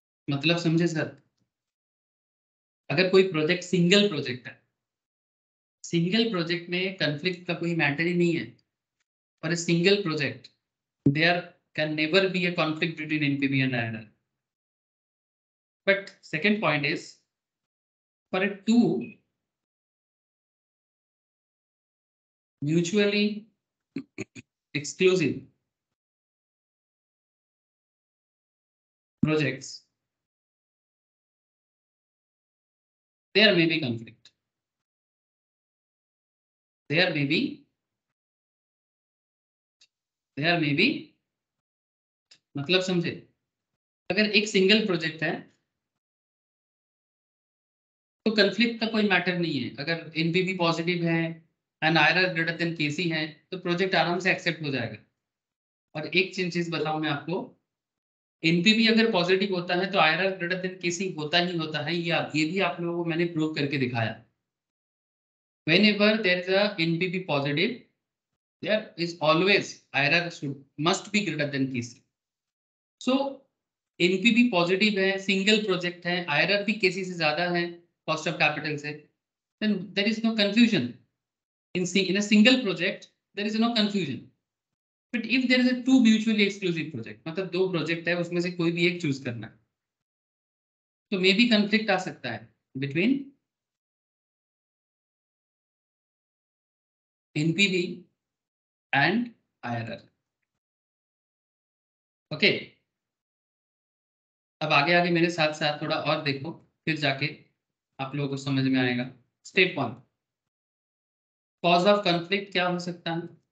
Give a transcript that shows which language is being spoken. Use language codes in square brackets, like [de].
[hi] मतलब समझे सर, अगर कोई प्रोजेक्ट सिंगल प्रोजेक्ट है, सिंगल प्रोजेक्ट में कॉन्फ्लिक्ट का कोई मैटर ही नहीं है, और single project [en] there can never be a conflict between NPV and IRR. But second point is, for a two mutually exclusive projects, there may be conflict. There may be, [hi] मतलब समझे, अगर एक single project है तो conflict का कोई matter नहीं है, अगर एनपीवी पॉजिटिव है एंड आईआरआर ग्रेटर देन केसी है तो प्रोजेक्ट आराम से एक्सेप्ट हो जाएगा। और एक चीज बताऊं मैं आपको, एनपीवी अगर पॉजिटिव होता है तो आईआरआर ग्रेटर देन केसी होता ही होता है, ये भी आप लोगों को मैंने प्रूव करके दिखाया। [en] Whenever there is a NPV positive, there is always IRR should must be greater than KC. So NPV positive है, single project है, IRR भी KC से ज्यादा है cost of capital से, then there is no confusion. In a single project there is no confusion. But if there is a two mutually exclusive project, [hi] मतलब दो project है उसमें से कोई भी एक choose करना, तो [en] may be conflict [hi] आ सकता है [en] between NPV and IRR. Okay. [hi] अब आगे आगे मेरे साथ साथ थोड़ा और देखो, फिर जाके आप लोगों को समझ में आएगा। Step one, cause of conflict क्या हो सकता है,